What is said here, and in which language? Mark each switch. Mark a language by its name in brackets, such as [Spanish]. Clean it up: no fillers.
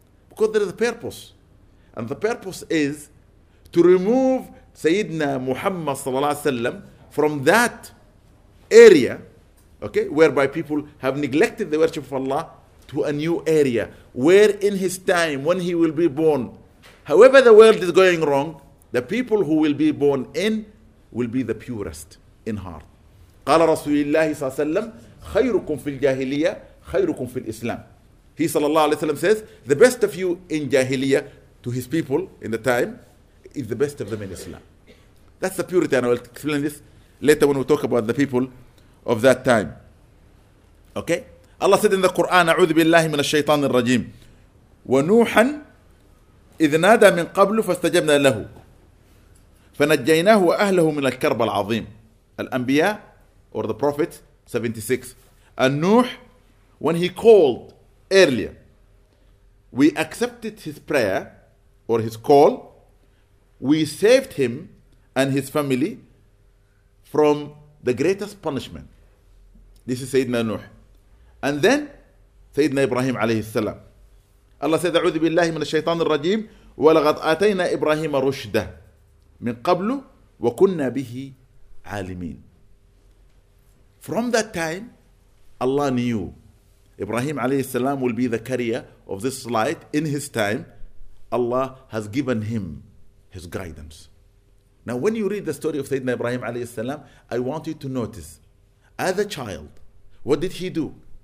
[English] Because there is a purpose. And the purpose is to remove Sayyidina Muhammad sallallahu alayhi wasallam from that area, okay, whereby people have neglected the worship of Allah, to a new area where in his time, when he will be born, however the world is going wrong, the people who will be born in will be the purest in heart. [Arabic] قال رسول الله صلى الله عليه وسلم خيركم في الجاهلية خيركم في الإسلام. [English] He صلى الله عليه وسلم says, the best of you in jahiliyyah, to his people in the time, is the best of them in Islam. That's the purity, and I will explain this later when we talk about the people of that time. Okay? Allah said in the Quran, [Arabic] أعوذ بالله من الشيطان الرجيم وَنُوحًا إِذْ نَادَى مِنْ قَبْلُ فَاسْتَجَبْنَا لَهُ فَنَجَّيْنَاهُ وَأَهْلَهُ مِنَ الْكَرْبَ الْعَظِيمِ [English] Al-Anbiya, or the Prophet, 76. And Nuh, when he called earlier, we accepted his prayer or his call. We saved him and his family from the greatest punishment. This is Sayyidina Nuh. And then Sayyidina Ibrahim alayhi salam. Allah said, [Arabic] أعوذ بالله من الشيطان الرجيم ولقد آتينا إبراهيم رشده من قبل وكنا به عالمين. [English] From that time, Allah knew Ibrahim alayhi salam will be the carrier of this light in his time. Allah has given him his guidance. Now, when you read the story of Sayyidina Ibrahim alayhi salam, I want you to notice, as a child, what did he do?